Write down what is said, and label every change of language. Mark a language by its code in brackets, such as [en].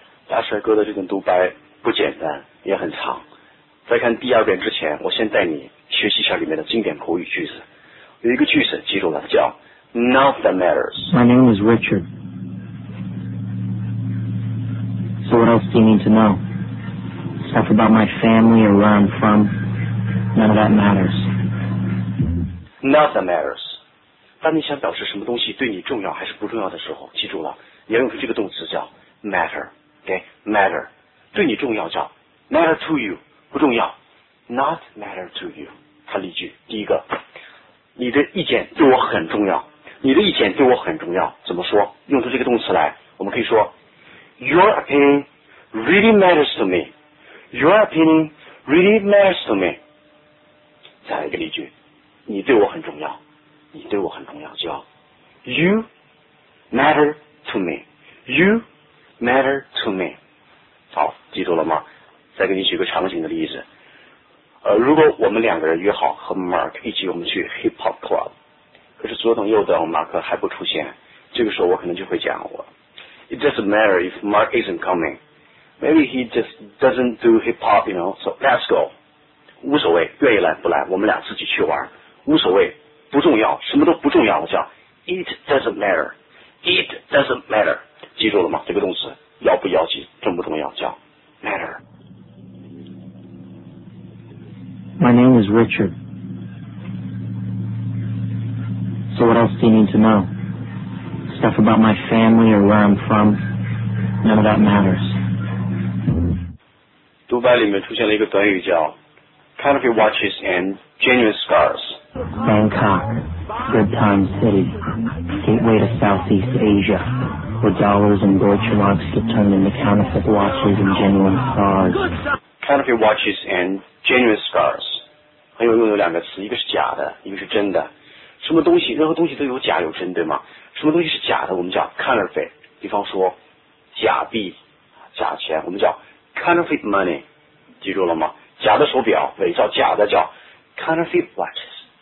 [zh] Asher 哥的这段独白不简单，也很长。在看第二遍之前，我先带你学习一下里面的经典口语句子。有一个句子记住了，叫 [en] Not that matters. My name is Richard. So what else do you need to know? Stuff about my family or where I'm from? None of that matters. Not that matters. [zh] 当你想表示什么东西对你重要还是不重要的时候，记住了，你要用这个动词叫 matter. [en] Okay? Matter. [zh] 对你重要叫 matter to you. 不重要。 [en] Not matter to you. [zh] 看例句，第一个，你的意见对我很重要。你的意见对我很重要，怎么说？用出这个动词来，我们可以说 [en] Your opinion really matters to me. Your opinion really matters to me. [zh] 再来一个例句，你对我很重要。你对我很重要，叫 [en] You matter to me. You matter to me. [zh] 好，记住了吗？再给你举个场景的例子。如果我们两个人约好和 Mark 一起我们去 Hip Hop Club， 可是左等右等 Mark 还不出现，这个时候我可能就会讲我 [en] It doesn't matter if Mark isn't coming. Maybe he just doesn't do Hip Hop, you know, so let's go. [zh] 无所谓，愿意来不来，我们俩自己去玩，无所谓，不重要，什么都不重要，我叫 [en] It doesn't matter. It doesn't matter. [zh] 记住了吗？这个动词要不要紧，重不重要，叫 Matter. [en] My name is Richard. So what else do you need to know? Stuff about my family or where I'm from? None of that matters. [zh] 独白里面出现了一个短语叫 [en] Country watches and genuine scars. Bangkok, good time city, gateway to Southeast Asia, where dollars and Deutsche Marks get turned into counterfeit watches and genuine scars. Country watches and genuine scars. [zh] 很有用的两个词，一个是假的，一个是真的。什么东西，任何东西都有假有真，对吗？什么东西是假的，我们叫 counterfeit。比方说假币假钱，我们叫 counterfeit money， 记住了吗？假的手表，伪造假的，叫 counterfeit watches。